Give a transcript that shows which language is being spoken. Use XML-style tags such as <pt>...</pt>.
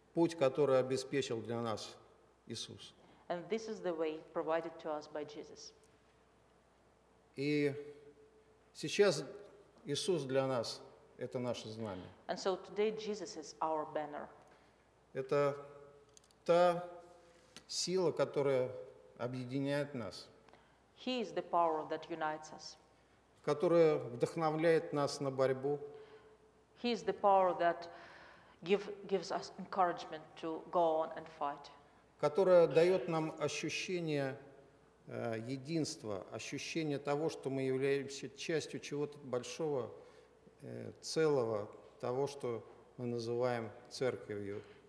<ru>Путь, который обеспечил для нас Иисус.</ru> <en>And this is the way provided to us by Jesus.</en> <ru>И сейчас Иисус для нас – это наше знамя.</ru> <en>And so today Jesus is our banner.</en> <ru>Это та сила, которая объединяет нас.</ru> <en>He is the power that unites us.</en> <ru>Которая вдохновляет нас на борьбу.</ru> <en>He is the power that gives us encouragement to go on and fight.</en> <ru>Которая дает нам ощущение единства, ощущение того, что мы являемся частью чего-то большого, целого, того, что мы называем церковью.</ru>